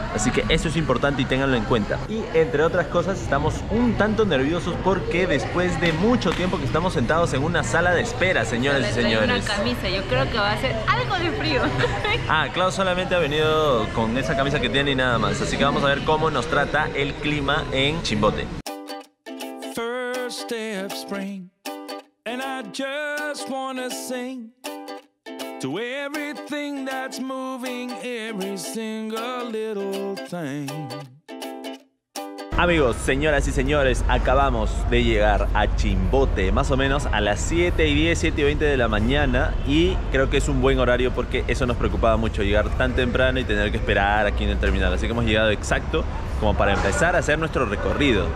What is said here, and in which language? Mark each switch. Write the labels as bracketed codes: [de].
[es] Así que eso es importante y ténganlo en cuenta. Y entre otras cosas, estamos un tanto nerviosos porque después de mucho tiempo que estamos sentados en una sala de espera, señores y señores. Una camisa, yo creo que va a ser algo de frío. Ah, Clau solamente ha venido con esa camisa que tiene y nada más. Así que vamos a ver cómo nos trata el clima en Chimbote. [en] First day of spring, and I just wanna sing to everything that's moving, every single little thing. [es] Amigos, señoras y señores, acabamos de llegar a Chimbote, más o menos a las 7 y 10, 7 y 20 de la mañana, y creo que es un buen horario porque eso nos preocupaba mucho, llegar tan temprano y tener que esperar aquí en el terminal, así que hemos llegado exacto como para empezar a hacer nuestro recorrido.